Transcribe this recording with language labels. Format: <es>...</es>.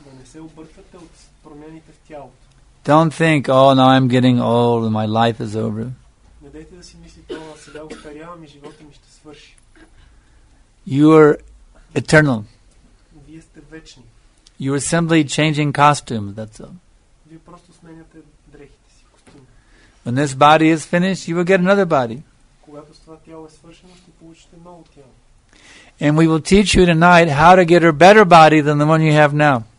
<bg>не се объркате от промените в тялото.</bg> <en>Don't think, oh, now I'm getting old and my life is over.</en> <bg>Не дейте да си мислите, о, сега устарявам и живота ми ще свърши.</bg> <en>You are eternal.</en> <bg>Вие сте вечни.</bg> <en>You are simply changing costumes, that's all.</en> <bg>Вие просто сменяте дрехите си, костюми.</bg> <en>When this body is finished, you will get another body.</en> <bg>Когато това тяло е свършено, ще получите ново тяло.</bg> <en>And we will teach you tonight how to get a better body than the one you have now.</en>